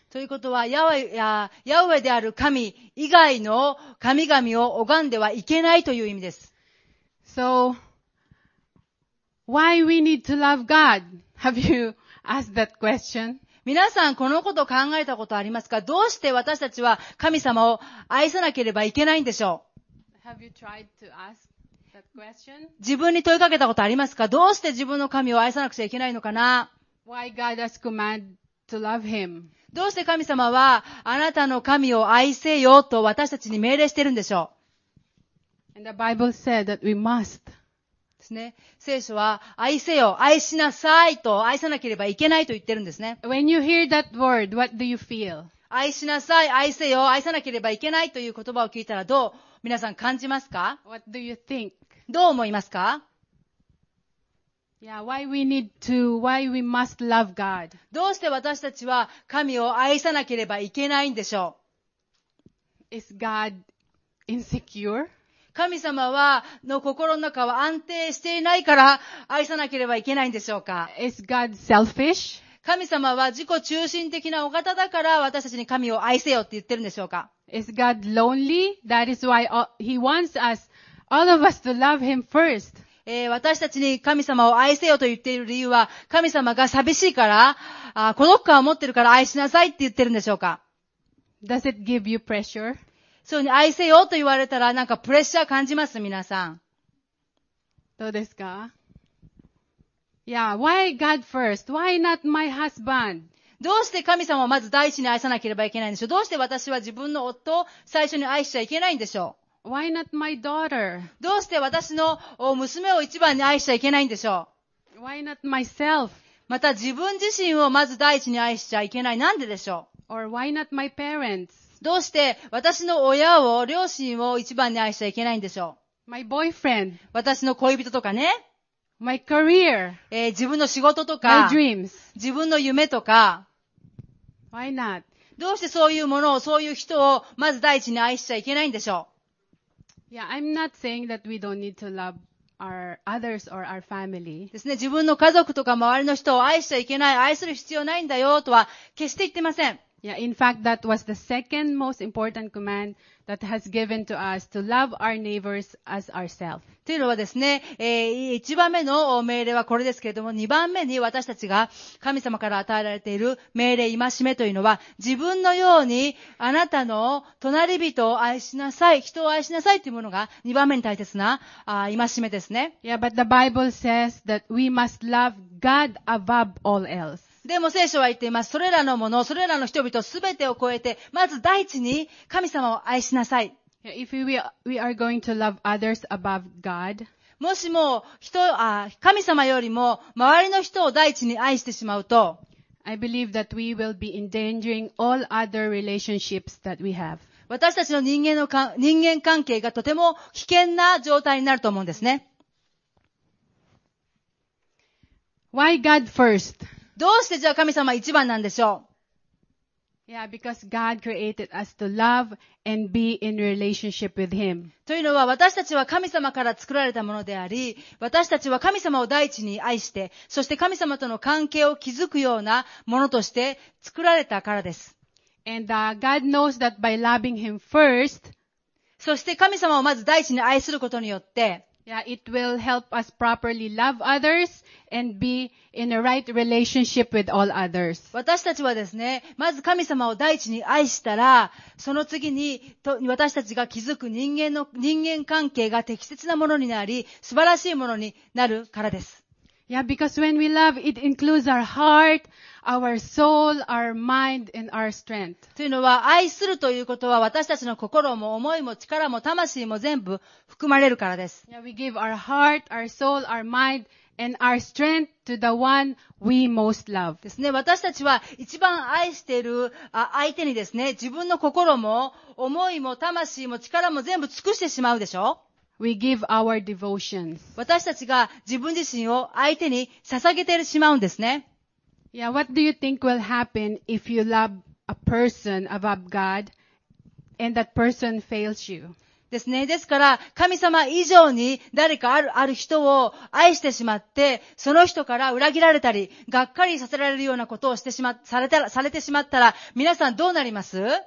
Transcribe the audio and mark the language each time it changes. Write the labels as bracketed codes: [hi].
[ja] ということは、ヤウェである神以外の神々を拝んではいけないという意味です。 [en] So, why we need to love God? Have you asked that question? [ja] 皆さんこのことを考えたことありますか？どうして私たちは神様を愛さなければいけないんでしょう？ [en] Have you tried to ask that question? [ja] 自分に問いかけたことありますか？どうして自分の神を愛さなくちゃいけないのかな？ [en] Why God has commanded to love him. [ja] どうして神様はあなたの神を愛せよと私たちに命令しているんでしょう。 [en] And the Bible said that we must. [ja] ですね。聖書は愛せよ、愛しなさいと愛さなければいけないと言ってるんですね。 [en] When you hear that word, what do you feel? [ja] 愛しなさい、愛せよ、愛さなければいけないという言葉を聞いたらどう皆さん感じますか [en] ？What do you think? [ja] どう思いますか [en] ？Yeah, why we need to, why we must love God? [ja] どうして私たちは神を愛さなければいけないんでしょう [en] ？Is God insecure? [ja] 神様はの心の中は安定していないから愛さなければいけないんでしょうか [en] ？Is God selfish? [ja] 神様は自己中心的なお方だから私たちに神を愛せよって言ってるんでしょうか？ [en] Is God lonely? That is why He wants us, all of us, to love Him first. [ja] 私たちに神様を愛せよと言っている理由は、神様が寂しいから、孤独感を持っているから愛しなさいって言ってるんでしょうか。 [en] Does it give you pressure? [ja] そうに愛せよと言われたらなんかプレッシャー感じます皆さん。どうですか [en] ？Yeah, why God first? Why not my husband? [ja] どうして神様をまず第一に愛さなければいけないんでしょう。どうして私は自分の夫を最初に愛しちゃいけないんでしょう。 [en] Why not my daughter? [ja] どうして私の娘を一番に愛しちゃいけないんでしょう。 [en] Why not myself? [ja] また自分自身をまず第一に愛しちゃいけない。なんででしょう。 [en] Or why not my parents? [ja] どうして私の親を、両親を一番に愛しちゃいけないんでしょう。 [en] My boyfriend. [ja] 私の恋人とかね。 [en] My career. [ja] 自分の仕事とか、 [en] My dreams. [ja] 自分の夢とか、 [en] Why not? [ja] どうしてそういうものを、そういう人をまず第一に愛しちゃいけないんでしょう [en] ？Yeah, I'm not saying that we don't need to love our others or our family. [ja] ですね、自分の家族とか周りの人を愛しちゃいけない、愛する必要ないんだよとは決して言ってません。 [en] Yeah, in fact, that was the second most important command that has given to us to love our neighbors as ourselves. [ja] というのはですね、一番目の命令はこれですけれども、二番目に私たちが神様から与えられている命令戒めというのは、自分のようにあなたの隣人を愛しなさい、人を愛しなさいというものが二番目に大切な戒めですね。 [en] Yeah, but the Bible says that we must love God above all else. [ja] でも聖書は言っています。それらのもの、それらの人々すべてを超えて、まず第一に神様を愛しなさい。 [en] If we are going to love others above God, [ja] もしも人、神様よりも周りの人を第一に愛してしまうと、 [en] I believe that we will be endangering all other relationships that we have. [ja] 私たちの人間関係がとても危険な状態になると思うんですね。 [en] Why God first? [ja] どうしてじゃあ神様一番なんでしょう [en] ？Yeah, because God created us to love and be in relationship with Him. [ja] というのは私たちは神様から作られたものであり、私たちは神様を第一に愛して、そして神様との関係を築くようなものとして作られたからです。 [en] And God knows that by loving Him first, [ja] そして神様をまず第一に愛することによって、 [en] Yeah, it will help us properly love others and be in a right relationship with all others. [ja] 私たちはですね、まず神様を第一に愛したら、その次に私たちが築く人間関係が適切なものになり、素晴らしいものになるからです。 [en] Yeah, because when we love, it includes our heart, our soul, our mind, and our strength. [ja] というのは、愛するということは私たちの心も思いも力も魂も全部含まれるからです。 [en] Yeah, we give our heart, our soul, our mind, and our strength to the one we most love. [ja] ですね、私たちは一番愛している相手にですね、自分の心も思いも魂も力も全部尽くしてしまうでしょ。 [en] We give our devotions. [ja] 私たちが自分自身を相手に捧げてしまうんですね。 [en] Yeah, what do you think will happen if you love a person above God and that person fails you? [ja] ですね。ですから、神様以上に誰かある人を愛してしまって、その人から裏切られたり、がっかりさせられるようなことをしてしまされてしまったら、皆さんどうなります